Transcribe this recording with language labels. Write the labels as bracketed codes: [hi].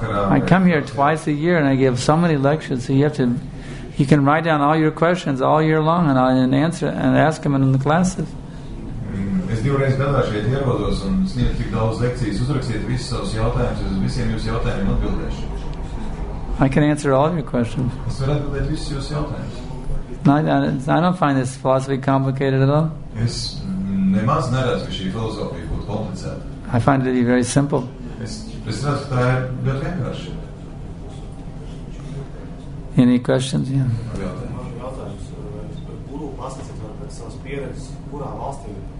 [en] I come here twice a year and I give so many lectures, so you can write down all your questions all year long and I'll answer and ask them in the classes. [lv] Es divreiz gadā šeit ierodos un sniedzu tik daudz lekcijas. Uzrakstiet visus savus jautājumus, uz visiem jūsu jautājumiem atbildēšu. [en] I can answer all of your questions. [lv] Es varu atbildēt visus jūsu jautājumus. [en] I don't find this philosophy complicated at all. [lv] Es nemaz neredzu šī filozofija būtu komplicēta. [en] I find it to be very simple. [lv] Es redzu, tā ir ļoti vienkārši. [en] Any questions? Yeah. [lv] Jautājums. Kuru pasakāt par savas pieredzes, kurā valstī